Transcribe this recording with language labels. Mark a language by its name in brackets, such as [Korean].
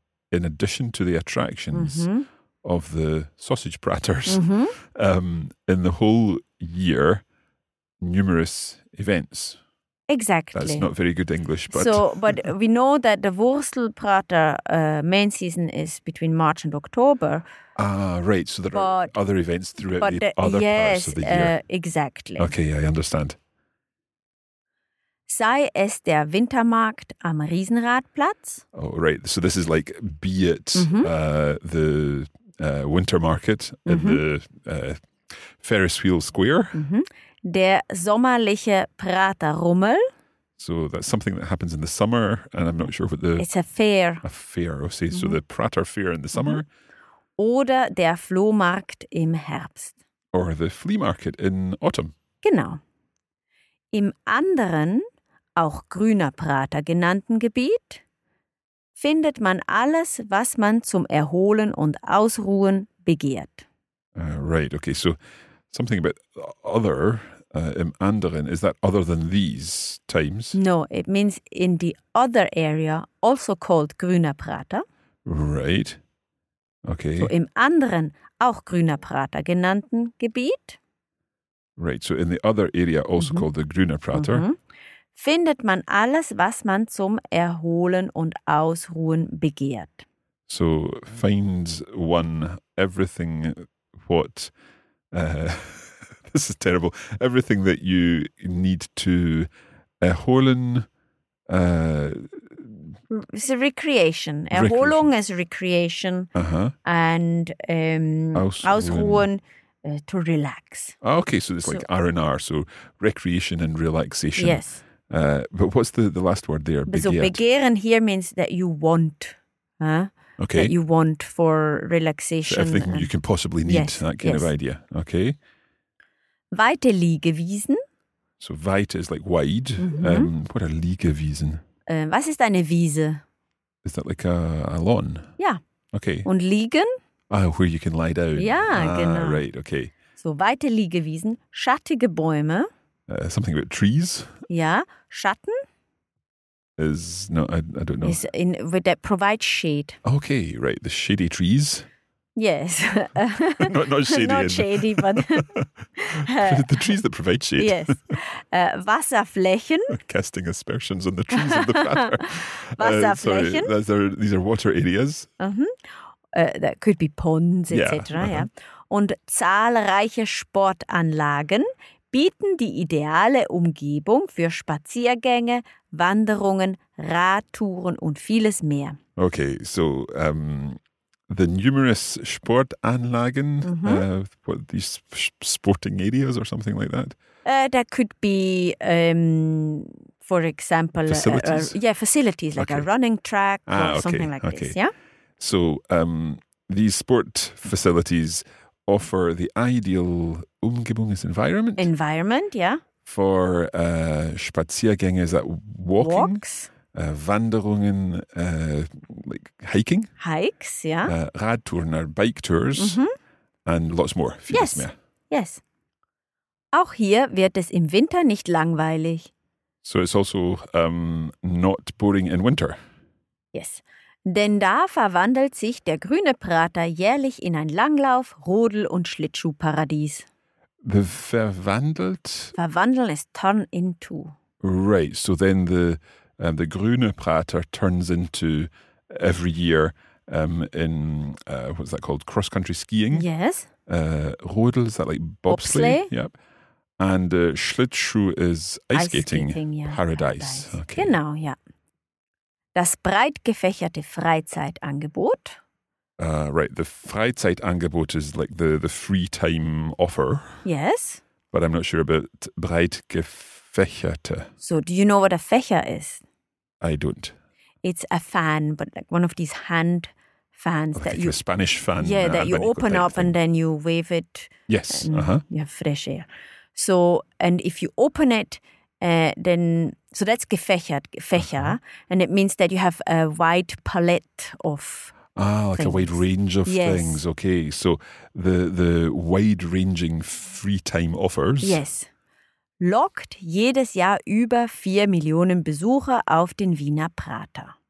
[English] in addition to the attractions of the sausage praters, in the whole year, numerous events. Exactly. That's not very good English, but... So, but we know that the Wurzelprater main season is between March and October. Ah, right. So there are other events throughout the other parts of the year. Exactly. Okay, I understand. [German] Sei es der Wintermarkt am Riesenradplatz. [English] Oh, right. So this is like, be it the winter market in the Ferris Wheel Square. [German] Der sommerliche Praterrummel. [English] So that's something that happens in the summer, and I'm not sure what the... It's a fair. A fair, okay. So the Prater Fair in the summer. [German] Oder der Flohmarkt im Herbst. [English] Or the flea market in autumn. [German] Genau. Im anderen... auch grüner Prater genannten Gebiet, findet man alles, was man zum Erholen und Ausruhen begehrt. [English] Right, okay, so something about other, [German] im anderen, [English] is that other than these times? No, it means in the other area, also called [German] grüner Prater. [English] Right, okay. [German] So im anderen, auch grüner Prater genannten Gebiet. [English] Right, so in the other area, also called the grüner Prater. [German] Findet man alles, was man zum Erholen und Ausruhen begehrt. [English] So, finds one everything what, this is terrible, everything that you need to [German] erholen. [English] It's a recreation. Erholung is recreation. Uh-huh. And Ausruhen. To relax. Ah, okay, so it's like R&R, so recreation and relaxation. Yes. But what's the last word there? [German] Begehrt. [English] So begehren here means that you want, okay. That you want for relaxation. So everything you can possibly need, yes, that kind of idea. Okay. [German] Weite Liegewiesen. [English] So weit is like wide. What are Liegewiesen? [German] Was ist eine Wiese? [English] Is that like a lawn? Yeah. Okay. [German] Und liegen? [English] Ah, where you can lie down. Yeah, genau. Right, okay. [German] So weite Liegewiesen, schattige Bäume. [English] Something about trees. [German] Ja, Schatten. [English] Is no, I don't know. Is in with that provides shade. Okay, right. The shady trees. Yes. not shady. Not shady, but the trees that provide shade. Yes. Wasserflächen. Casting aspersions on the trees of the platter. [German] Wasserflächen. [English] These are water areas. That could be ponds, etc. Yeah. [German] Und zahlreiche Sportanlagen bieten die ideale Umgebung für Spaziergänge, Wanderungen, Radtouren und vieles mehr. [English] Okay, so the numerous Sportanlagen, these sporting areas or something like that? That could be, for example, facilities like a running track something like this, yeah? So these sport facilities offer the ideal Umgebung is environment. Environment, yeah. For Spaziergänge, is that walking? Walks. Wanderungen, like hiking? Hikes, yeah. Radtouren are bike tours. And lots more. Yes. Yes. [German] Auch hier wird es im Winter nicht langweilig. [English] So it's also not boring in winter. Yes. [German] Denn da verwandelt sich der grüne Prater jährlich in ein Langlauf-, Rodel- und Schlittschuhparadies. Verwandelt? [English] Verwandeln ist turn into. Right, so then the grüne Prater turns into every year what's that called? Cross-country skiing? Yes. Rodel, is that like bobsleigh? Bobsleigh. Yep. And Schlittschuh is ice skating yeah. Paradise. [German] Okay. Genau, ja. Das breit gefächerte Freizeitangebot. [English] Right, the Freizeitangebot is like the free time offer. Yes. But I'm not sure about [German] breit gefächerte. [English] So, do you know what a Fächer is? I don't. It's a fan, but like one of these hand fans. Like a Spanish fan. Yeah, that you open up and then you wave it. Yes. You have fresh air. So, and if you open it, then... So that's gefächert, and it means that you have a wide palette of A wide range of things. Okay, so the wide-ranging free time offers. Yes. [German] Lockt jedes Jahr über 4 Millionen Besucher auf den Wiener Prater.